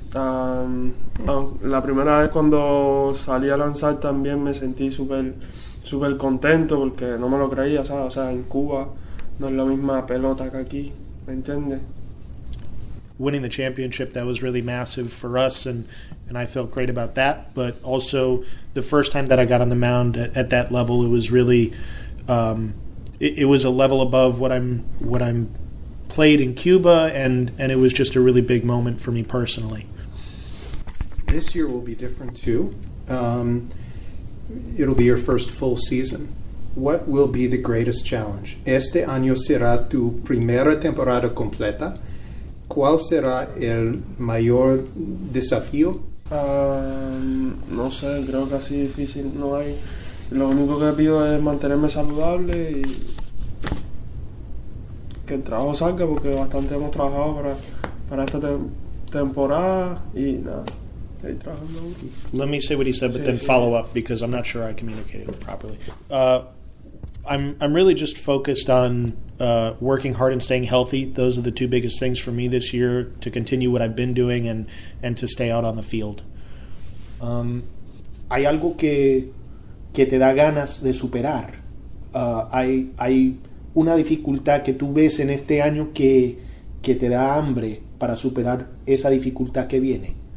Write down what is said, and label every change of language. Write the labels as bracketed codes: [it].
[es] La primera vez cuando salí a lanzar también me sentí súper contento porque no me lo creía, ¿sabes? O sea, en Cuba no es la misma pelota que aquí, ¿me entiendes? [en] Winning the championship, that was really massive for us, and I felt great about that. But also, the first time that I got on the mound at that level, it was really, it was a level above what I'm played in Cuba, and it was just a really big moment for me personally. This year will be different too. It'll be your first full season. What will be the greatest challenge? [es] Este año será tu primera temporada completa. ¿Cuál será el mayor desafío? No sé, creo que así difícil no hay. Lo único que pido es mantenerme saludable y que el trabajo salga, porque bastante hemos trabajado para esta temporada y nada, estoy trabajando. [en] Let me say what he said, but sí, then sí. Follow up, because I'm not sure I communicated it properly. I'm really just focused on working hard and staying healthy. Those are the two biggest things for me this year, to continue what I've been doing and to stay out on the field. [es] Hay algo que te da ganas de superar. Hay una dificultad que tú ves en este año que te da hambre para superar esa dificultad que viene.